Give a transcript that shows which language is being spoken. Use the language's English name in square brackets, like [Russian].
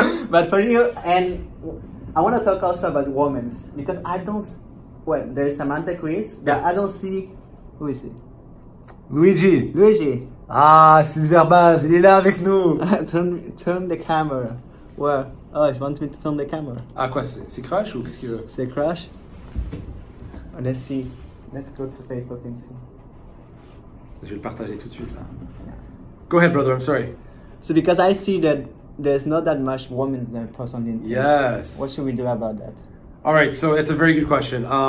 [English] But for you, and I want to talk also about women, because I don't, there is Samantha Chris, yeah, but I don't see, who is he? Luigi. [French] Ah, Sylvain Baz, il est là avec nous. [English] Turn the camera. Where? Oh, he wants me to turn the camera. [French] Ah, quoi, c'est Crash ou qu'est-ce qu'il veut? C'est Crash. [English] Oh, let's see. Let's go to Facebook and see. [French] Je vais le partager tout de suite, là. [English] Yeah. Go ahead, brother, I'm sorry. So, because I see that there's not that much women that post on LinkedIn. Yes. What should we do about that? All right, so it's a very good question.